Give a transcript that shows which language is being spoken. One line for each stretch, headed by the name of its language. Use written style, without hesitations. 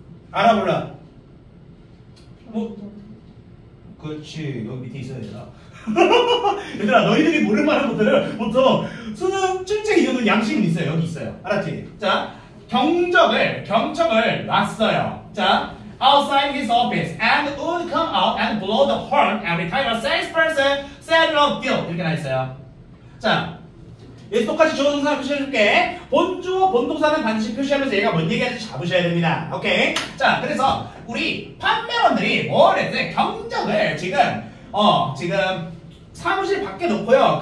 Korean: 알아볼라. 뭐, 그렇지. 여기 밑에 있어야 되나? 얘들아, 너희들이 모를 만한 것들은 보통 수능 출제 이유는 양심은 있어요. 여기 있어요. 알았지? 자, 경적을, 경청을 놨어요.
English: 자, outside his office and would come out and blow the horn every time a salesperson said no deal.
Korean: 이렇게 나있어요. 자, 얘 똑같이 좋은 동사 표시해줄게. 본주어 본동사는 반드시 표시하면서 얘가 뭔 얘기하는지 잡으셔야 됩니다. 오케이? 자, 그래서 우리 판매원들이 뭘 했는데 경적을 지금 지금 사무실 밖에 놓고요.